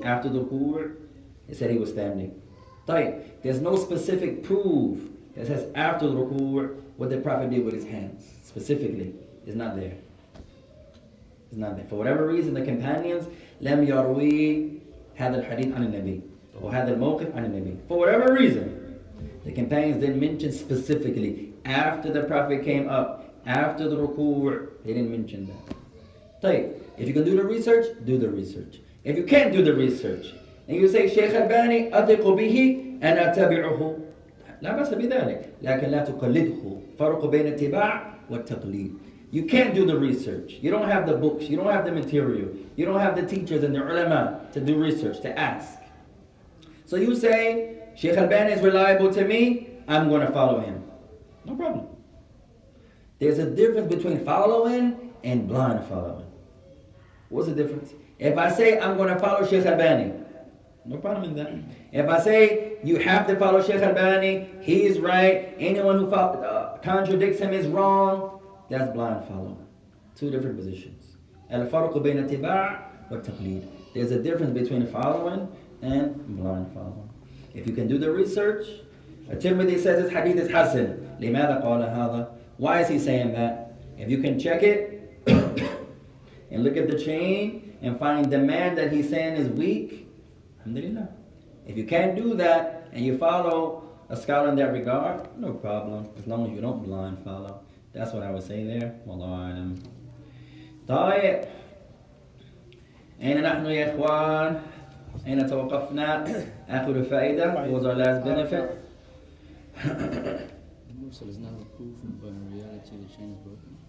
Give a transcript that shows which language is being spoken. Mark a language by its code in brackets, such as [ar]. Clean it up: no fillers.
[en] After the ruku', it said he was standing. طيب, there's no specific proof that says after the ruku', what the Prophet did with his hands specifically. It's not there. It's not there. For whatever reason, the companions [ar] لم يروي هذا الحديث عن النبي [en] or [ar] هذا الموقف عن النبي. [en] For whatever reason, the companions didn't mention specifically after the Prophet came up, after the ruku', they didn't mention that. طيب, if you can do the research, do the research. If you can't do the research, and you say [ar] شيخ الباني أثق به أنا أتبعه لا بأس بذلك لكن لا تقلده فرق بين اتباع والتقليد. [en] You can't do the research. You don't have the books. You don't have the material. You don't have the teachers and the ulama to do research, to ask. So you say, Sheikh Albani is reliable to me, I'm going to follow him. No problem. There's a difference between following and blind following. What's the difference? If I say I'm going to follow Sheikh Albani, no problem in that. If I say you have to follow Sheikh Albani, he is right, anyone who contradicts him is wrong, that's blind following. Two different positions. [ar] الفرق بين اتباع والتقليد. [en] There's a difference between following and blind following. If you can do the research, Tirmidhi says this hadith is hasan. [ar] لماذا قال هذا? [en] Why is he saying that? If you can check it and look at the chain and find the man that he's saying is weak, alhamdulillah. If you can't do that and you follow a scholar in that regard, no problem, as long as you don't blind follow. That's what I was saying there. Wallahu a'lam. طيب. [ar] أين نحن يا إخوان؟ أين توقفنا؟ آخر الفائدة. [en] What was our last benefit? The Mursal is not a proof, but in reality the chain is broken.